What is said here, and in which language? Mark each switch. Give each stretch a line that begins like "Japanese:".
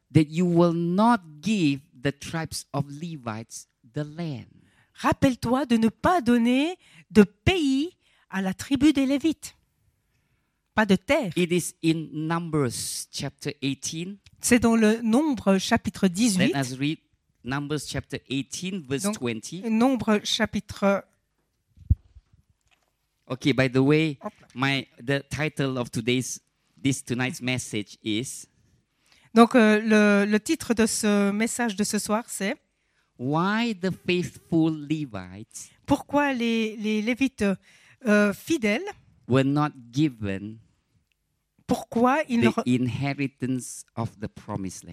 English: that you will not give the tribes of Levites the land.
French: Rappelle-toi de ne pas donner de pays à la tribu des Lévites, pas de terre.
English: It is in Numbers chapter 18.
French: C'est dans le Nombre chapitre 18.
English: Let us read Numbers chapter 18 verse
French: Donc,
English: 20.
French: Nombre chapitre
English: Okay, by the way, the title of tonight's message is
French: Donc le titre de ce message de ce soir c'est
English: Why the faithful Levites
French: Pourquoi les Lévites fidèles
English: were not given
French: Pourquoi ils
English: the inheritance of the promised land